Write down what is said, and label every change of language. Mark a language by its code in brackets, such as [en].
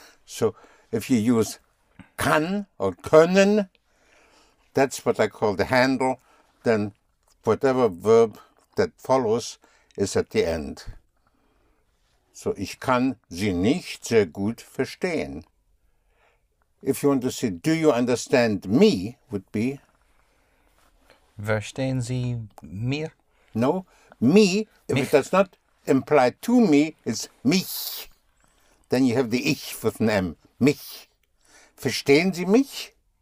[en] So, if you use kann or können, that's what I call the handle, then whatever verb that follows is at the end. [de] So, ich kann sie nicht sehr gut verstehen. [en] If you want to say, do you understand me, would be? [de] Verstehen Sie mir? [en] No, me, if mich. It does not imply to me, it's mich. Then you have the ich with an M, mich. [de] Verstehen Sie mich?